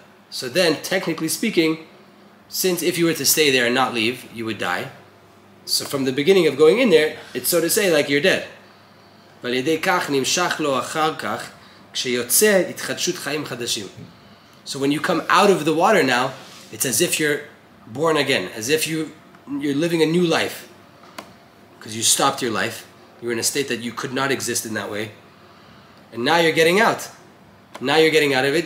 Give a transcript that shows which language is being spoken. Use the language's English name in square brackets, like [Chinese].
[English] So then, technically speaking, since if you were to stay there and not leave, you would die. So from the beginning of going in there, it's so to say like you're dead. [Hebrew] ועל ידי כך נמשך לו אחר כך כשיוצא התחדשות חיים חדשים. [English] So when you come out of the water now, it's as if you're born again, as if you you're living a new life. Because you stopped your life. You were in a state that you could not exist in that way. And now you're getting out. Now you're getting out of it.